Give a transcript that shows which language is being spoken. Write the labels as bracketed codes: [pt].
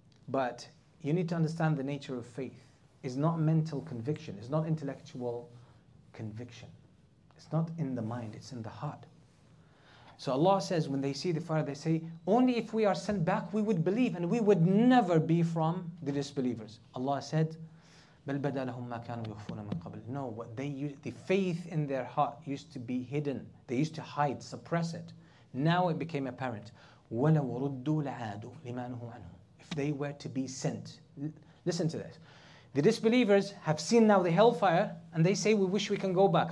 [en] But you need to understand the nature of faith. It's not mental conviction. It's not intellectual conviction. It's not in the mind. It's in the heart. So Allah says when they see the fire, they say, only if we are sent back, we would believe and we would never be from the disbelievers. Allah said, [ar] بَلْ بَدَى لَهُمْ مَا كَانُوا يُخْفُونَ مِنْ قَبْلِ. [en] No, what they used, the faith in their heart used to be hidden. They used to hide, suppress it. Now it became apparent. [ar] وَلَوْ رُدُّوا لَعَادُوا لِمَا نُهُوا عَنْهُ. [en] If they were to be sent. Listen to this. The disbelievers have seen now the hellfire and they say, we wish we can go back.